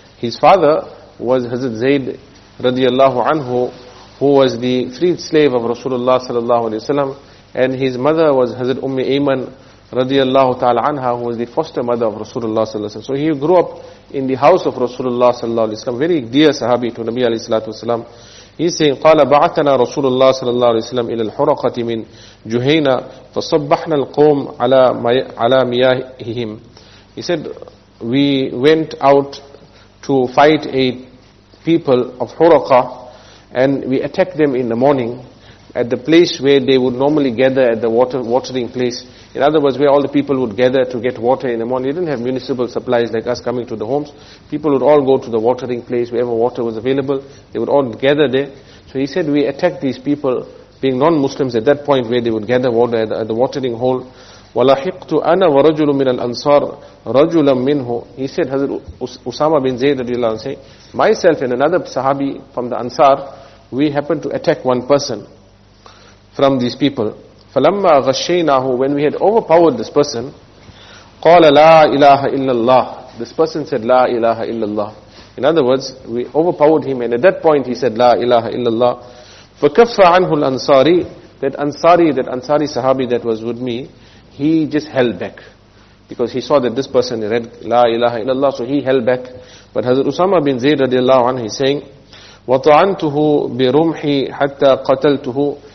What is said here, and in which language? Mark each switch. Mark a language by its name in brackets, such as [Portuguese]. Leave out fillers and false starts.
[English] His father was Hazrat Zayd radiallahu anhu, who was the freed slave of Rasulullah sallallahu alayhi wa sallam. And his mother was Hazrat Ummi Ayman radiallahu ta'ala anha, who was the foster mother of Rasulullah sallallahu alayhi wa sallam. So he grew up in the house of Rasulullah sallallahu alayhi wa sallam, very dear Sahabi to Nabi alayhi salatu wa sallam. He's saying, [Arabic] قَالَ بَعَثَنَا رَسُولُ اللَّهِ صَلَى اللَّهُ عَلَيْهِ وَسَلَّمَ إِلَى الْحُرَقَةِ مِنْ جُهَيْنَا فَصَبَّحْنَا الْقَوْمَ عَلَى مِيَاهِهِمْ. [English] He said, we went out to fight a people of Huraqa, and we attacked them in the morning at the place where they would normally gather at the watering place. In other words, where all the people would gather to get water in the morning. They didn't have municipal supplies like us coming to the homes. People would all go to the watering place, wherever water was available. They would all gather there. So he said, we attacked these people, being non-Muslims, at that point where they would gather water at the watering hole. [Arabic] وَلَحِقْتُ أَنَا وَرَجُلٌ مِنَ الْأَنصَارِ رَجُلًا مِّنْهُ. [English] He said, Hazrat Usama bin Zayd radiallahu anhu, saying, myself and another Sahabi from the Ansar, we happened to attack one person from these people. [Arabic] فَلَمَّا غَشَّيْنَاهُ, [English] when we had overpowered this person, [Arabic] قَالَ لَا إِلَهَ إِلَّا اللَّهِ. [English] This person said, [Arabic] لَا إِلَهَ إِلَّا اللَّهِ. [English] In other words, we overpowered him, and at that point he said, [Arabic] لَا إِلَهَ إِلَّا اللَّهِ. فَكَفَّ عَنْهُ الْأَنصَارِ. [English] That Ansari Sahabi that was with me, he just held back. Because he saw that this person read, [Arabic] لَا إِلَهَ إِلَّا اللَّهِ, [English] so he held back. But Hazrat Usama bin Zayd radiallahu anhu, he's saying, [Arabic] وَطَعَنْتُهُ بِرُمْحِ حَتَّى قَتَلْتُهُ.